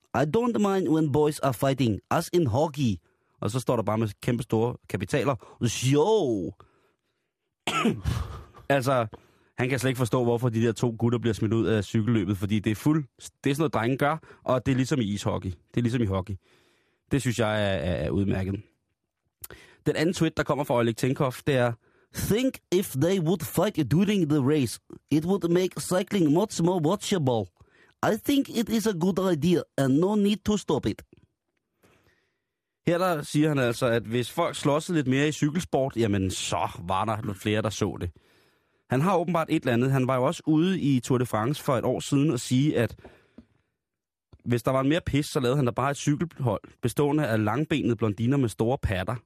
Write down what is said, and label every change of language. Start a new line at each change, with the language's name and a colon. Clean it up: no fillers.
English: I don't mind when boys are fighting, as in hockey."
Danish: Og så står der bare med kæmpe store kapitaler: "Jo." Altså, han kan slet ikke forstå, hvorfor de der to gutter bliver smidt ud af cykelløbet, fordi det er fuld. Det er sådan noget, drenge gør, og det er ligesom i ishockey. Det er ligesom i hockey. Det synes jeg er udmærket. Den anden tweet, der kommer fra Oleg Tinkoff, det er:
English: "Think if they would fight during the race, it would make cycling much more watchable. I think it is a good idea, and no need to stop it."
Danish: Her der siger han altså, at hvis folk slåsede lidt mere i cykelsport, jamen så var der lidt flere, der så det. Han har åbenbart et eller andet. Han var jo også ude i Tour de France for et år siden og sige, at hvis der var mere pis, så lavede han da bare et cykelhold bestående af langbenede blondiner med store patter.